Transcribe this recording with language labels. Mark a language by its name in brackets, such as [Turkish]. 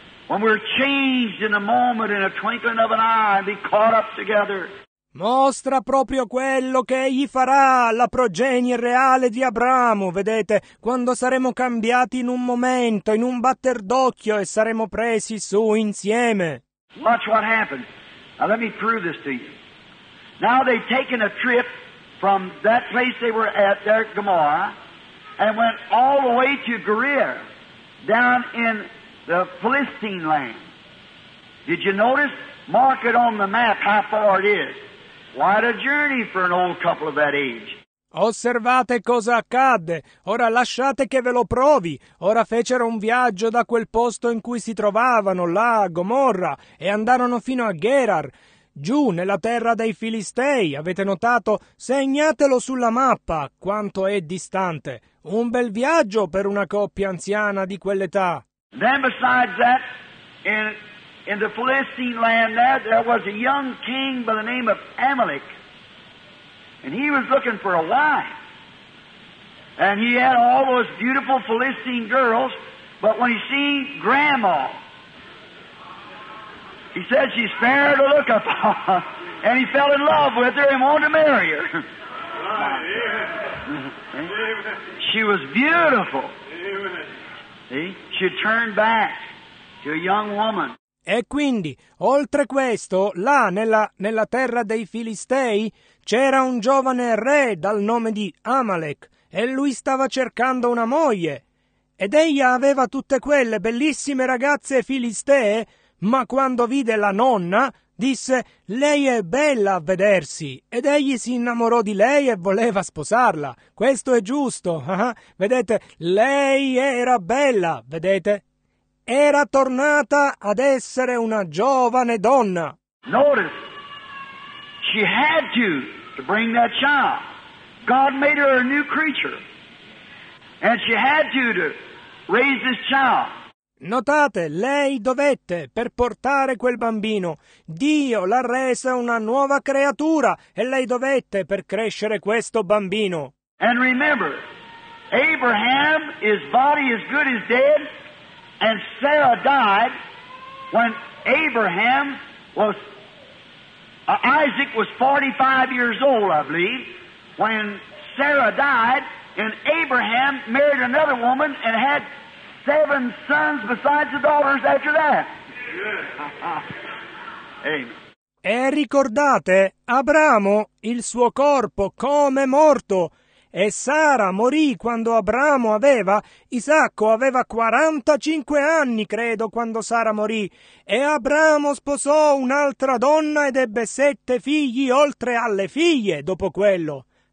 [English] When we're changed in a moment, in a twinkling of an eye, and be caught up together. [Italian] Mostra proprio quello che egli farà alla progenie reale di Abramo, vedete, quando saremo cambiati in un momento, in un batter d'occhio, e saremo presi su insieme. [English] Watch what happens. Now let me prove this to you. Now they've taken a trip from that place they were at, there at Gomorrah, and went all the way to Gerar, down in the Philistine land. Did you notice? Mark it on the map how far it is. What a journey for an old couple of that age. [Italian] Osservate cosa accadde. Ora lasciate che ve lo provi. Ora fecero un viaggio da quel posto in cui si trovavano, là a Gomorra, e andarono fino a Gerar, giù nella terra dei Filistei. Avete notato? Segnatelo sulla mappa quanto è distante. Un bel viaggio per una coppia anziana di quell'età. [English] Then besides that, in the Philistine land there was a young king by the name of Amalek. And he was looking for a wife. And he had all those beautiful Philistine girls, but when he seen Grandma, he said she's fair to look upon. And he fell in love with her and wanted to marry her. She was beautiful. She turned back to a young woman. [Italian] E quindi, oltre questo, là nella terra dei Filistei, c'era un giovane re dal nome di Amalek, e lui stava cercando una moglie. Ed ella aveva tutte quelle bellissime ragazze filistee, ma quando vide la nonna, disse, lei è bella a vedersi, ed egli si innamorò di lei e voleva sposarla. Questo è giusto, vedete, lei era bella, vedete? Era tornata ad essere una giovane donna. [English] Notice, she had to bring that child. God made her a new creature, and she had to raise this child. [Italian] Notate, lei dovette, per portare quel bambino, Dio l'ha resa una nuova creatura, e lei dovette per crescere questo bambino. [English] And remember, Abraham, his body as good as dead, and Sarah died when Abraham was, Isaac was 45 years old, I believe, when Sarah died, and Abraham married another woman and had 7 sons besides the daughters after that. [Italian] E ricordate, Abramo, il suo corpo, come morto. E Sara morì quando Abramo aveva, Isacco aveva 45 anni, credo, quando Sara morì. E Abramo sposò un'altra donna ed ebbe 7 figli oltre alle figlie dopo quello.